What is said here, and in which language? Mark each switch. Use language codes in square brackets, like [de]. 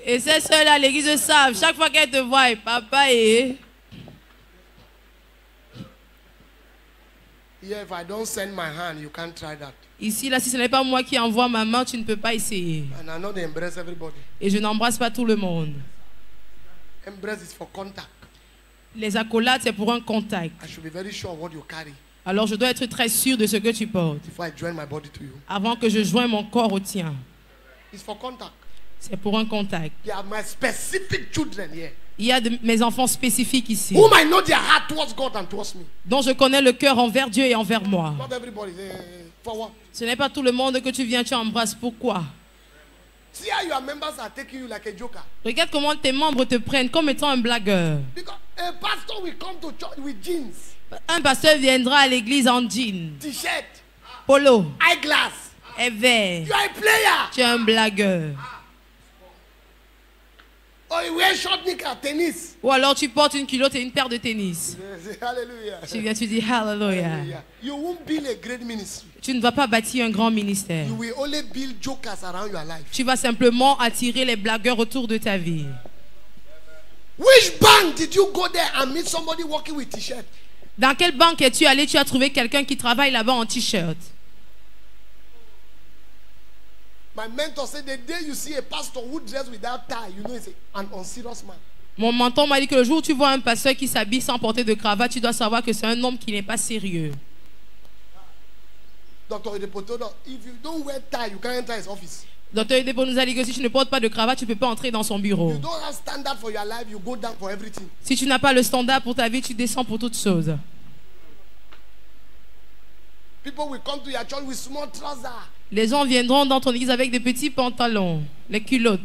[fr] Et ces sœurs à l'église savent chaque fois qu'elles te voient papa eh. [en] Yeah, if I don't send my hand, you can't try that. [fr] Ici là, si ce n'est pas moi qui envoie ma main, tu ne peux pas essayer. [en] And I know they embrace everybody. [fr] Et je n'embrasse pas tout le monde. [en] Embrace is for contact. [fr] Les accolades c'est pour un contact. [en] I should be very sure what you carry. [fr] Alors je dois être très sûr de ce que tu portes. [en] Before I join my body to you. [fr] Avant que je joigne mon corps au tien. [en] It's for contact. [fr] C'est pour un contact. [en] There are my specific children here. [fr] Il y a mes enfants spécifiques ici. [en] Whom I know their heart towards God and towards me. [fr] Dont je connais le cœur envers Dieu et envers moi. [en] Not everybody. For what? [fr] Ce n'est pas tout le monde que tu viens, tu embrasses. Pourquoi? [en] See how your members are taking you like a joker. [fr] Regarde comment tes membres te prennent comme étant un blagueur. [en] Because a pastor will come to church with jeans. [fr] Un pasteur viendra à l'église en jean, t-shirt, polo, [en] eyeglass, [fr] et vert. [en] You are a player. [fr] Tu es un blagueur. [en] Oh, you wear short knickers, tennis. [fr] Ou alors tu portes une culotte et une paire de tennis. Hallelujah. Tu viens, tu dis hallelujah. [en] You won't build a great ministry. [fr] Tu ne vas pas bâtir un grand ministère. [en] You will only build jokers around your life. [fr] Tu vas simplement attirer les blagueurs autour de ta vie. [en] Which bank did you go there and meet somebody walking with t-shirt? [fr] Dans quelle banque es-tu allé? Tu as trouvé quelqu'un qui travaille là-bas en t-shirt. Mon mentor m'a dit que le jour où tu vois un pasteur qui s'habille sans porter de cravate, tu dois savoir que c'est un homme qui n'est pas sérieux. [en] Docteur Edepo told us, if you don't wear tie, you can't enter his office. [fr] Docteur Edepo nous a dit que si tu ne portes pas de cravate, tu ne peux pas entrer dans son bureau. [en] You don't have standard for your life, you go down for everything. [fr] Si tu n'as pas le standard pour ta vie, tu descends pour toutes choses. [en] People will come to your church with small trousers. [fr] Les gens viendront dans ton église avec des petits pantalons, les culottes.